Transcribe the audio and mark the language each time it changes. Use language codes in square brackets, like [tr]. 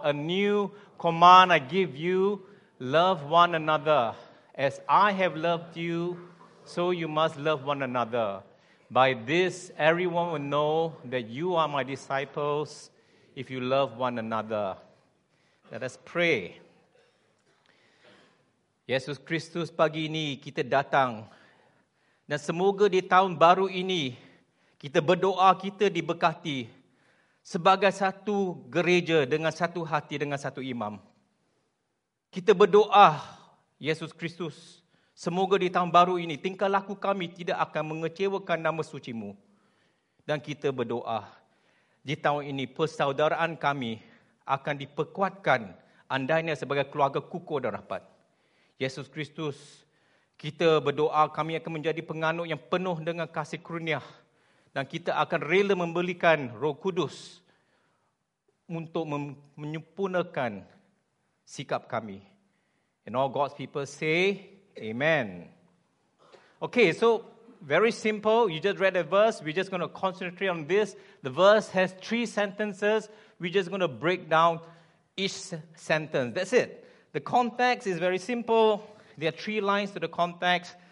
[en] A new command I give you: love one another. As I have loved you, so you must love one another. By this, everyone will know that you are my disciples if you love one another. Let us pray. [ms] Yesus Kristus, pagi ini kita datang. Dan semoga di tahun baru ini, kita berdoa kita diberkati sebagai satu gereja dengan satu hati, dengan satu imam. Kita berdoa, Yesus Kristus, semoga di tahun baru ini tingkah laku kami tidak akan mengecewakan nama suci-Mu. Dan kita berdoa di tahun ini persaudaraan kami akan diperkuatkan andainya sebagai keluarga kukuh dan rapat. Yesus Kristus, kita berdoa kami akan menjadi penganut yang penuh dengan kasih karunia dan kita akan rela memberikan Roh Kudus untuk menyempurnakan sikap kami. [en] And all God's people say, Amen. Okay, so very simple. You just read a verse. We're just going to concentrate on this. The verse has three sentences. We're just going to break down each sentence. That's it. The context is very simple. There are three lines to the context.